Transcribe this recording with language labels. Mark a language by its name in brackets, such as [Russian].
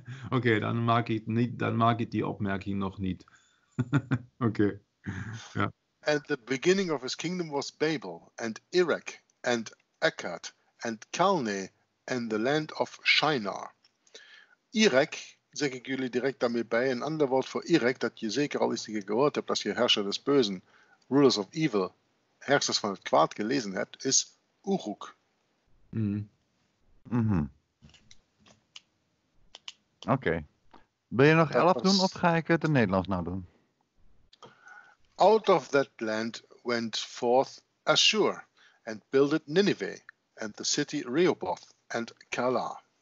[Dutch] Oké, dan maak ik die opmerking nog niet. Oké. Okay. Ja. [English] And the beginning of his kingdom was Babel, and Erech, and Akkad, and Calne, and the land of Shinar. [Dutch] Erech, zeg ik jullie direct daarmee bij, een ander woord voor Erech, dat je zeker al eens gehoord hebt, als je [German] herrscher des Bösen, [English] rulers of evil, [Dutch] herrschers van het kwaad gelezen hebt, is Uruk. Oké. Wil je nog 11 doen, of ga ik het in Nederlands nou doen? [English] Out of that land went forth Assur, and builded Nineveh, and the city Rehoboth, and Kala.